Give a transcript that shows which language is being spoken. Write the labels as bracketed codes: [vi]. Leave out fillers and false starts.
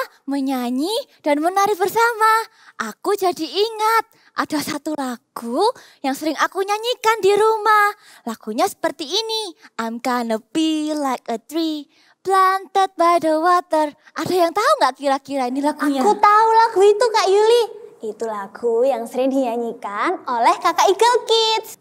[id] menyanyi dan menari bersama. Aku jadi ingat ada satu lagu yang sering aku nyanyikan di rumah. Lagunya seperti ini. [en] I'm gonna be like a tree planted by the water. [id] Ada yang tahu gak kira-kira ini lagunya? Aku tahu lagu itu Kak Yuli. Itu lagu yang sering dinyanyikan oleh kakak Eagle Kids.